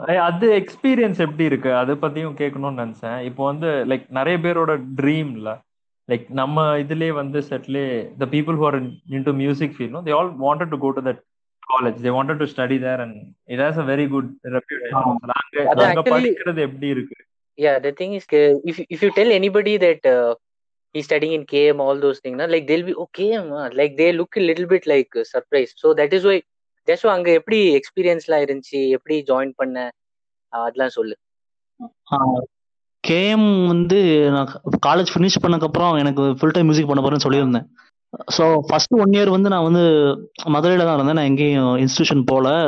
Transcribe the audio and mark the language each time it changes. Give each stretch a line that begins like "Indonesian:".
Tamil: அது எக்ஸ்பீரியன்ஸ் எப்படி இருக்கு அது பத்தியும் கேட்கணும்னு நினைச்சேன். இப்போ வந்து லைக் நிறைய பேரோட ட்ரீம் இல்ல லைக் நம்ம இதுலயே வந்து செட்லே
English: The people who are into music field they all wanted to go to that college, they wanted to study there and it has a very good reputation.
Tamil: அங்க அங்க படிக்கிறது எப்படி இருக்கு?
English: Yeah, the thing is, if you tell anybody that he's studying in KM, all those things, like they'll be, oh, KM, like they look a little bit like surprised. So that is why, that's why
Tamil: அங்க எப்படி experience லாம் இருந்துச்சு, எப்படி join பண்ண, அதெல்லாம் சொல்லு. KM வந்து நான் college finish பண்ணக்கப்புறம் எனக்கு full time music பண்ண போறேன்னு சொல்லியிருந்தேன். So first 1 year வந்து நான் வந்து மதுரையில் தான் இருந்தேன், நான் எங்கேயும் இன்ஸ்டியூஷன் போல.